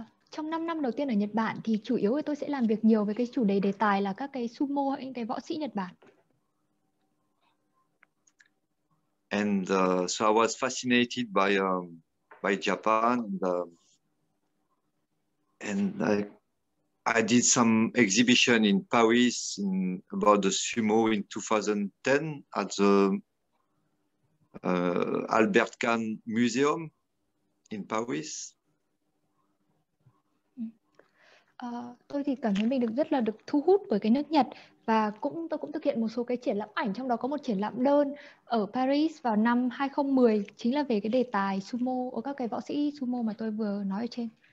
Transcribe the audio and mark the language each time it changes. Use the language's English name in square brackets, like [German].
[Vietnamese] Trong 5 năm đầu tiên ở Nhật Bản thì chủ yếu tôi sẽ làm việc nhiều với cái chủ đề đề tài là các cái sumo, những cái võ sĩ Nhật Bản. [English] And so I was fascinated by Japan, and I did some exhibition in Paris in about the sumo in 2010 at the Albert Kahn Museum in Paris. [Vietnamese] Tôi thì cảm thấy mình được rất là được thu hút bởi cái nước Nhật, và cũng tôi cũng thực hiện một số cái triển lãm ảnh, trong đó có một triển lãm đơn ở Paris vào năm 2010, chính là về cái đề tài sumo, của các cái võ sĩ sumo mà tôi vừa nói ở trên.